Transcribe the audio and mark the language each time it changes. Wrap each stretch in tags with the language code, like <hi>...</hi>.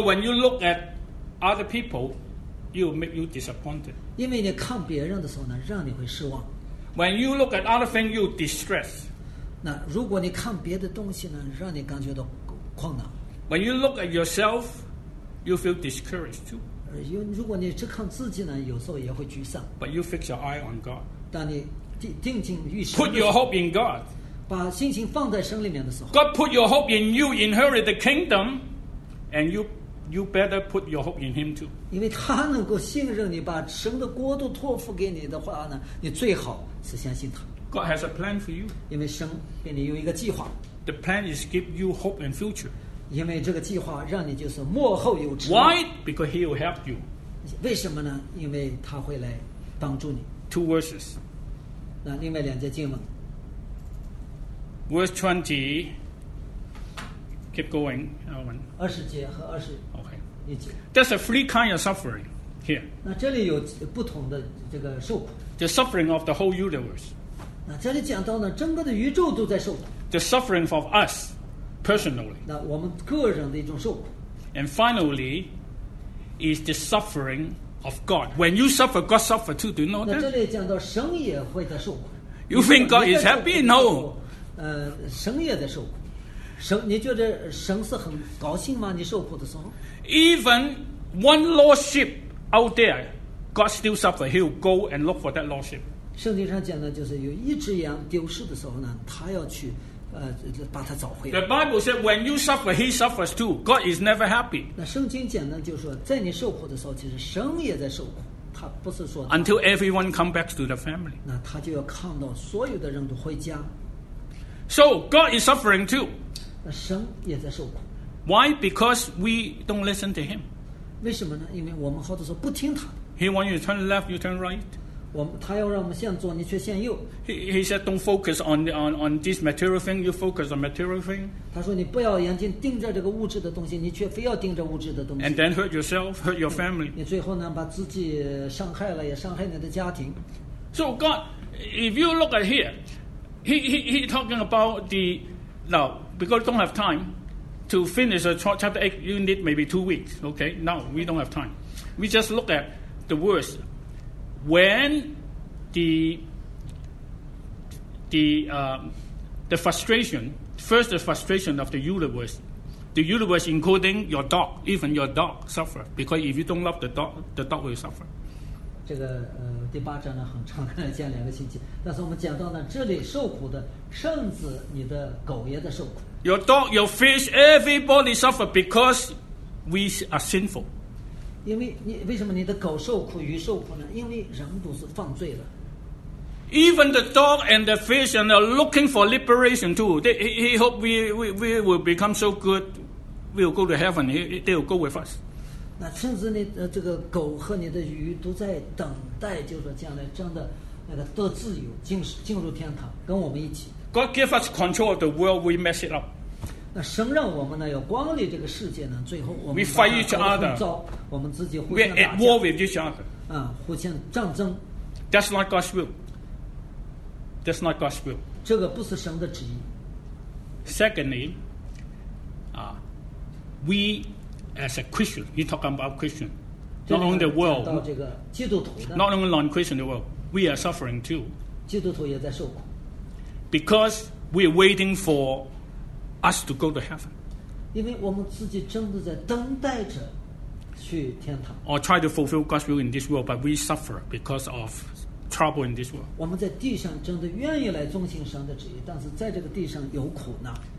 <en>Because when you look at other people, you make you disappointed.</en> <zh>因为你看别人的时候呢，让你会失望。</zh> <en>When you look at other things, you distress.</en> <zh>那如果你看别的东西呢，让你感觉到困难。</zh> <en>When you look at yourself, you feel discouraged too.</en> <zh>如果你只看自己呢，有时候也会沮丧。</zh> <en>But you fix your eye on God.</en> <zh>当你定睛于神。</zh> <en>Put your hope in God.</en> <zh>把心情放在神里面的时候。</zh> <en>God put your hope in you inherit the kingdom, and you better put your hope in Him too.</en> <zh>因为他能够信任你，把神的国度托付给你的话呢，你最好是相信他。</zh> <en>God has a plan for you.</en> <zh>因为神给你有一个计划。</zh> <en>The plan is give you hope and future.</en> <zh>因为这个计划让你就是幕后有指。</zh> <en>Why? Because he will help you.</en> <zh>为什么呢？因为他会来帮助你。</zh> <en>Two verses.</en> <zh>那另外两节经文。</zh> <en>Verse 20. Keep going, Alvin.</en> <zh>20节和20.</zh> <en>Okay.</en> <zh>一节。</zh> <en>There's a three kind of suffering here.</en> <zh>那这里有不同的这个受苦。</zh> <en>The suffering of the whole universe.</en> <zh>那这里讲到呢，整个的宇宙都在受苦。</zh> <en>The suffering of us. Personally,</en> <zh>那我们个人的一种受苦。</zh> <en>And finally, is the suffering of God. When you suffer, God suffers too. Do you know that?</en> <zh>那这里讲到神也会在受苦。</zh> <en>You think God is happy? No.</en> <zh>神也在受苦。神，你觉得神是很高兴吗？你受苦的时候。</zh> <en>Even one lost sheep out there, God still suffers. He'll go and look for that lost sheep.</en> <zh>圣经上讲的就是有一只羊丢失的时候呢，他要去。把他找回来。</zh> <en>The Bible said, "When you suffer, he suffers too." God is never happy.</en> <zh>那圣经讲呢，就是说，在你受苦的时候，其实神也在受苦。他不是说。</zh> <en>Until everyone comes back to the family.</en> <zh>那他就要看到所有的人都回家。</zh> <en>So God is suffering too.</en> <zh>那神也在受苦。</zh> <en>Why? Because we don't listen to him.</en> <zh>为什么呢？因为我们好多时候不听他。</zh> <en>He wants you to turn left, you turn right.</en> <zh>他要让我们向左，你却向右。</zh> <en>He said, "Don't focus on this material thing. You focus on material thing."</en> <zh>他说你不要眼睛盯着这个物质的东西，你却非要盯着物质的东西。</zh> <en>And then hurt yourself, hurt your family.</en> <zh>你最后呢，把自己伤害了，也伤害你的家庭。</zh> <en>So God, if you look at here, he talking about the now because don't have time to finish chapter 8. You need maybe 2 weeks. Okay, now we don't have time. We just look at the words. When the frustration, first the frustration of the universe including your dog, even your dog suffer. Because if you don't love the dog will suffer.</en> <zh>这个第八章呢很长，讲两个星期。但是我们讲到呢，这里受苦的，甚至你的狗也在受苦。</zh> <en>Your dog, your fish, everybody suffer because we are sinful.</en> <zh>因为你为什么你的狗受苦鱼受苦呢？因为人都是犯罪的。</zh> <en>Even the dog and the fish are looking for liberation too. He hope we will become so good, we'll go to heaven. They will go with us.</en> <zh>那甚至你这个狗和你的鱼都在等待，就是将来真的那个得自由，进入天堂，跟我们一起。</zh> <en>God gave us control of the world, we mess it up.</en> <zh>那神让我们呢要管理这个世界呢，最后我们</zh> <en>we fight each other.</en> <zh>我们自己互相打架。</zh> <en>We're at war with each other.</en> <zh>互相战争。</zh> <en>That's not God's will. That's not God's will.</en> <zh>这个不是神的旨意。</zh> <en>Secondly, we as a Christian, you talk about Christian, not only the world,</en> <zh>讲到这个基督徒的</zh> <en>not only non-Christian the world, we are suffering too.</en> <zh>基督徒也在受苦。</zh> <en>Because we are waiting for us to go to heaven.</en> <zh>因为我们自己真的在等待着去天堂。</zh> <en>Or try to fulfill God's will in this world, but we suffer because of trouble in this world.</en> <zh>我们在地上真的愿意来遵行神的旨意，但是在这个地上有苦呢。</zh>